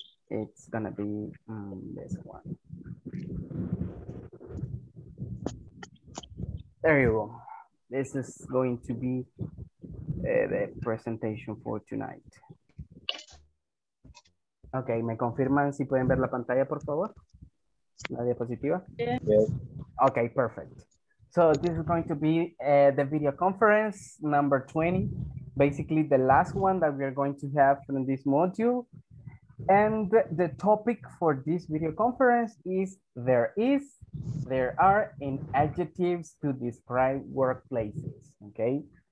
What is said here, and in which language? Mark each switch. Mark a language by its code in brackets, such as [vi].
[en] It's gonna be this one. There you go. This is going to be the presentation for tonight. [es] Okay, ¿me confirman si pueden ver la pantalla, por favor? ¿La diapositiva? [en] Yes. Okay, perfect. So this is going to be the video conference number 20. Basically the last one that we are going to have from this module. And the topic for this video conference is there is, there are in adjectives to describe workplaces, okay?